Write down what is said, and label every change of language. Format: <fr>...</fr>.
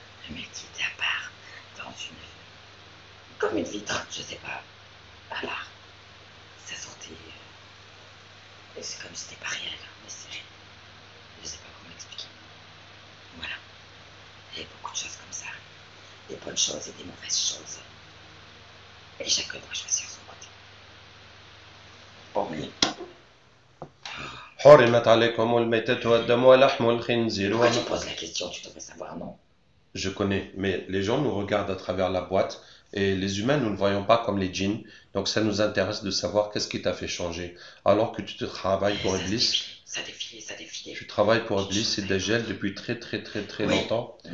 <fr>Mais qui était à part dans une. Comme une vitre, je sais pas. À part. Ça sortait. Et c'est comme si c'était pas réel. Mais c'est. Je sais pas comment expliquer. Voilà. Il y a beaucoup de choses comme ça. Des bonnes choses et des mauvaises choses. Et chacun doit choisir son côté. Pour lui.</fr> <ar>حرمت عليكم الميتة والدم ولحم الخنزير.</ar> <fr>Pourquoi tu poses la question? Tu devrais savoir, non? Je connais, mais les gens nous regardent à travers la boîte et les humains, nous ne voyons pas comme les djinns. Donc ça nous intéresse de savoir qu'est-ce qui t'a fait changer. Alors que tu te travailles pour Iblis. Ça défilait. Tu travailles pour Iblis et Dajjal depuis très longtemps.</fr>